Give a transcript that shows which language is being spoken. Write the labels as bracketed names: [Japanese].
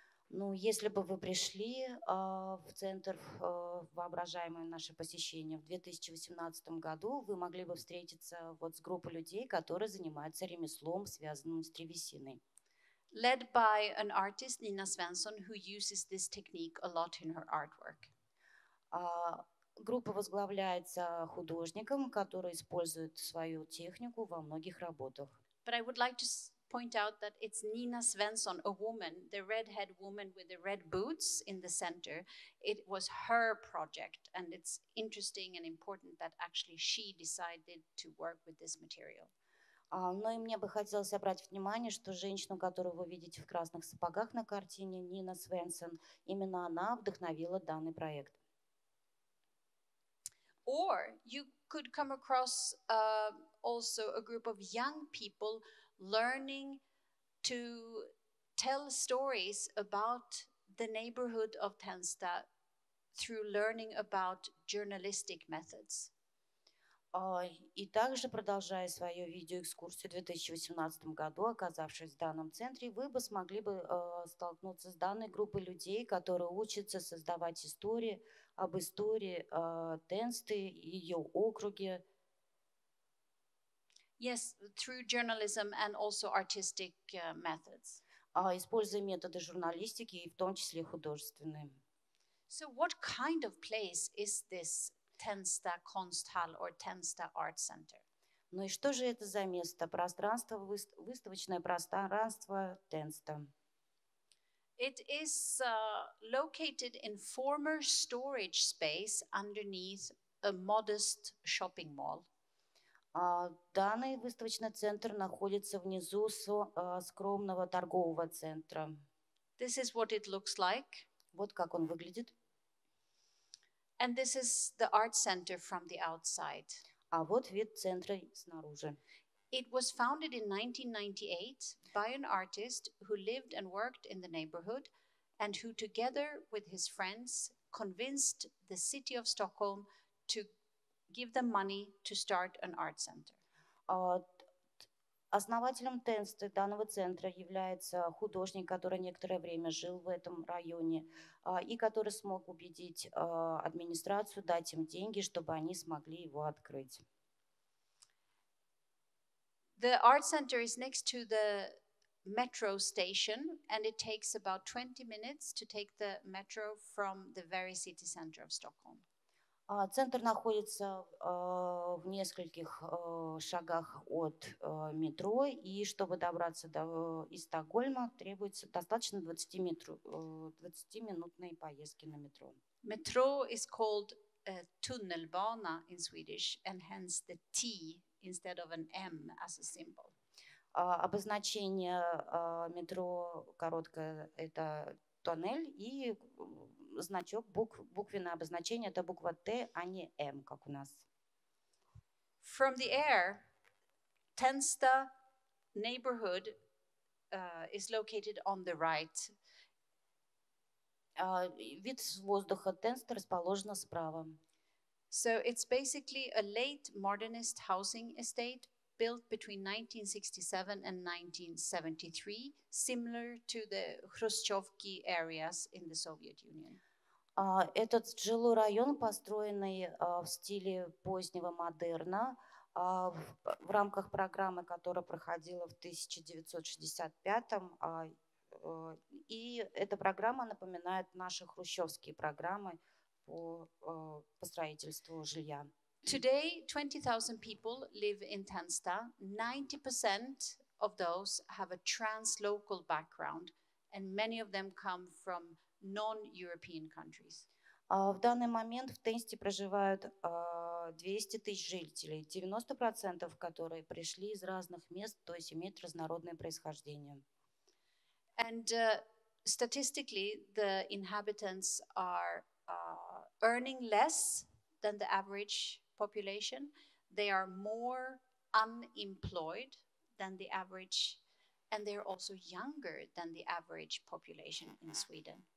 [Russian] Ну, если бы вы пришли в центр воображаемое наше посещение в 2018 году, вы могли бы встретиться вот с группой людей, которые занимаются ремеслом, связанным с древесиной. [English] Led by an artist Nina Svensson, who uses this technique a lot in her artwork. [Russian] Группа возглавляется художником, который использует свою технику во многих работах. [English] But I would like to point out that it's Nina Svensson, a woman, the redhead woman with the red boots in the center. It was her project, and it's interesting and important that actually she decided to work with this material. [Russian] Но и мне бы хотелось обратить внимание, что женщину, которую вы видите в красных сапогах на картине, Нина Свенсон, именно она вдохновила данный проект. [English] Or you could come across also a group of young people learning to tell stories about the neighborhood of Tensta through learning about journalistic methods. [Russian] И также, продолжая свою видеоэкскурсию в 2018 году, оказавшись в данном центре, вы бы смогли бы столкнуться с данной группой людей, которые учатся создавать истории об истории Тенсты и ее округе. [English] Yes, through journalism and also artistic methods. [Russian] Используя методы журналистики, в том числе художественные. [English] So what kind of place is this Tensta Kunsthalle or Tensta Art Center? [Russian] Ну и что же это за место, пространство, выставочное пространство Тенста? [English] It is located in former storage space underneath a modest shopping mall. [Russian] Данный выставочный центр находится внизу скромного торгового центра. [English] This is what it looks like. [Russian] Вот как он выглядит. [English] And this is the art center from the outside. [Russian] А вот вид центра снаружи. [English] It was founded in 1998 by an artist who lived and worked in the neighborhood and who together with his friends convinced the city of Stockholm to give them money to start an art center. [Russian] Основателем Тенста данного центра является художник, который некоторое время жил в этом районе и который смог убедить администрацию дать им деньги, чтобы они смогли его открыть. [English] The art center is next to the metro station, and it takes about 20 minutes to take the metro from the very city center of Stockholm. [Russian] Центр находится в нескольких шагах от метро, и чтобы добраться до из Стокгольма, требуется достаточно 20-минутной поездки на метро. [English] Metro is called tunnelbana in Swedish, and hence the T instead of an M as a symbol. [Russian] Обозначение метро короткое – это тоннель, и значок, буквенное обозначение – это буква Т, а не М, как у нас. [English] From the air, Tensta neighborhood is located on the right. [Russian] Вид с воздуха Тенста расположен справа. [English] So it's basically a late modernist housing estate built between 1967 and 1973, similar to the Khrushchevki areas in the Soviet Union. [Russian] Этот жилой район, построенный в стиле позднего модерна, в рамках программы, которая проходила в 1965-м, и эта программа напоминает наши хрущевские программы по строительству жилья. [English] Today 20,000 people live in Tensta. 90% of those have a translocal background, and many of them come from non-European countries. [Russian] В данный момент в Тенсте проживают 200 тысяч жителей, 90% которые пришли из разных мест, то есть имеют разнородное происхождение. [English] And statistically, the inhabitants are earning less than the average population. They are more unemployed than the average, and they're also younger than the average population in Sweden.